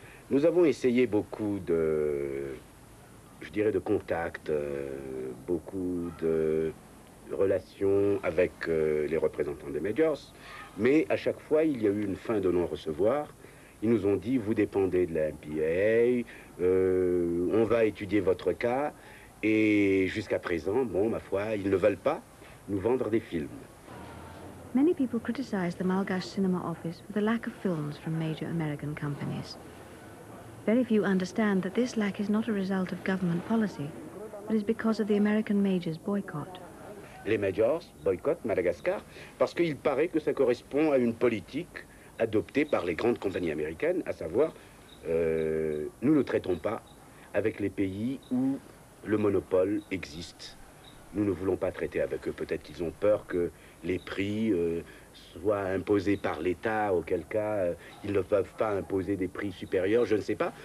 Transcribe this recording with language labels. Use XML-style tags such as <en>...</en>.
<fr>Nous avons essayé beaucoup de, je dirais, de contacts, beaucoup de relations avec les représentants des majors, mais à chaque fois, il y a eu une fin de non-recevoir. Ils nous ont dit, vous dépendez de la MPAA, on va étudier votre cas, et jusqu'à présent, bon, ma foi, ils ne veulent pas nous vendre des films.</fr> <en>Many people criticize the Malgache Cinema Office for the lack of films from major American companies. Very few understand that this lack is not a result of government policy, but is because of the American majors' boycott.</en> <fr>Les majors boycottent Madagascar parce qu'il paraît que ça correspond à une politique adoptée par les grandes compagnies américaines, à savoir, nous ne traitons pas avec les pays où le monopole existe. Nous ne voulons pas traiter avec eux. Peut-être qu'ils ont peur que les prix soit imposé par l'État, auquel cas ils ne peuvent pas imposer des prix supérieurs, je ne sais pas.</fr>